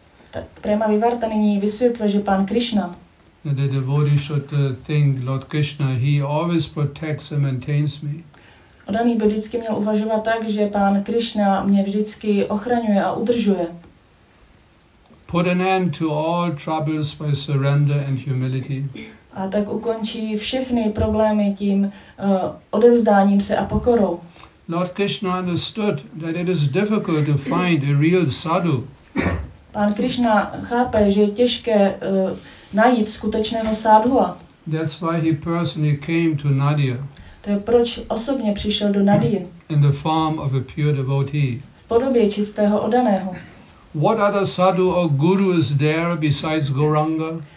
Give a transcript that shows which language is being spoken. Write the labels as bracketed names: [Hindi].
[Czech] Tak Prema Vivarta nyní vysvětluje, že pán Krishna. [English] The devotee should think Lord Krishna, he always protects and maintains me. [Czech] Odaný by vždycky měl uvažovat tak, že pán Krishna mě vždycky ochraňuje a udržuje. [English] Put an end to all troubles by surrender and humility. [Czech] A tak ukončí všechny problémy tím odevzdáním se a pokorou. [English] Lord Krishna understood that it is difficult to find a real sadhu. [Czech] Pán Krishna chápe, že je těžké najít skutečného sádhua. [English] That's why he personally came to Nadia. [Czech] To je proč osobně přišel do Nadie. [English] In the form of a pure devotee. [Czech] V podobě čistého oddaného. [English] What other sadhu or guru is there besides Gauranga?